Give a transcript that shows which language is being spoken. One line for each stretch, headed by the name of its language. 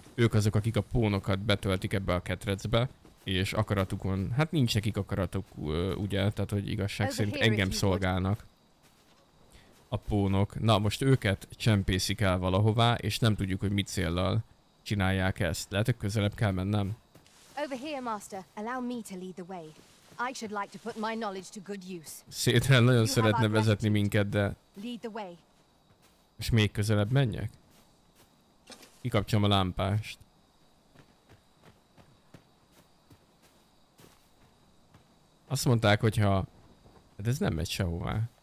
Hungarian: Ők azok, akik a pónokat betöltik ebbe a ketrecbe, és akaratukon, hát nincs nekik akaratuk, ugye, tehát hogy igazság ez szerint engem hívott. Szolgálnak. A pónok. Na, most őket csempészik el valahová, és nem tudjuk, hogy mit céllal csinálják ezt. Lehet, hogy közelebb kell mennem?
English: Over here, master. Allow me to lead the way. I should like to put my knowledge to good use.
Hungarian: Szétlen nagyon szeretne vezetni minket, de...
English: Lead the way.
Hungarian: És még közelebb menjek? Kikapcsolom a lámpást. Azt mondták, hogyha... Hát ez nem megy sehová.